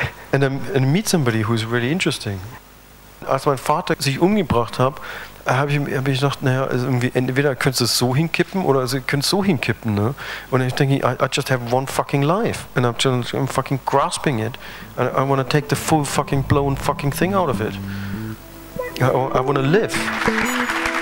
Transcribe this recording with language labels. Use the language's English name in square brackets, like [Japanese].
[English] And I meet somebody who is really interesting. [German] Als mein Vater sich umgebracht hat, habe ich gedacht, naja, also irgendwie, entweder könntest du es so hinkippen oder sie können es so hinkippen. Ne? Und ich denke, [English] I just have one fucking life. And I'm fucking grasping it. And I want to take the full fucking blown fucking thing out of it. I want to live.